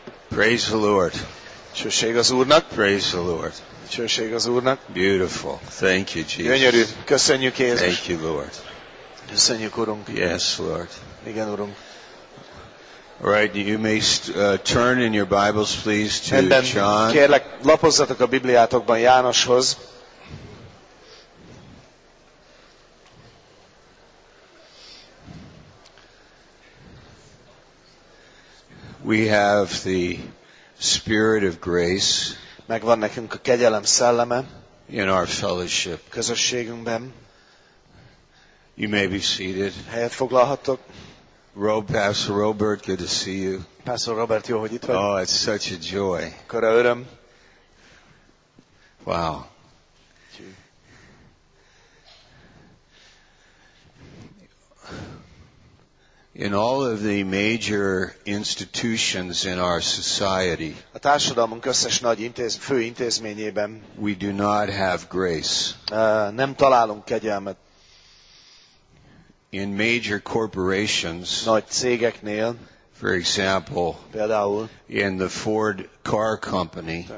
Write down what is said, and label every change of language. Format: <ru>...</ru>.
<en>Praise the Lord.</en> <hu>Csőséges Úrnak.</hu> <en>Praise the Lord.</en> <hu>Csőséges Úrnak.</hu> <en>Beautiful. Thank you, Jesus.</en> <hu>Gyönyörű. Köszönjük, Jézus.</hu> <en>Thank you, Lord.</en> <hu>Köszönjük, Urunk.</hu> <en>Yes, Lord.</en> <hu>Igen, Urunk.</hu> <en>All right, you may turn in your Bibles, please, to</en> <hu>Ebben</hu> <en>John.</en> <hu>Kérlek, lapozzatok a Bibliátokban Jánoshoz.</hu> <en>We have the Spirit of Grace.</en> <hu>Megvan nekünk a kegyelem szelleme.</hu> <en>In our fellowship.</en> <hu>Közösségünkben.</hu> <en>You may be seated.</en> <hu>Helyet foglalhattok.</hu> <en>Pastor Robert, good to see you.</en> <hu>Pastor Robert, jó, hogy itt vagy.</hu> <en>Oh, it's such a joy.</en> <hu>Kora öröm.</hu> <en>Wow. In all of the major institutions in our society,</en> <hu>a társadalmunk összes nagy fő intézményében,</hu> <en>we do not have grace.</en> <hu>Nem találunk kegyelmet.</hu> <en>In major corporations,</en> <hu>nagy cégeknél,</hu> <en>for example,</en> <hu>például,</hu> <en>in the Ford car company,</en>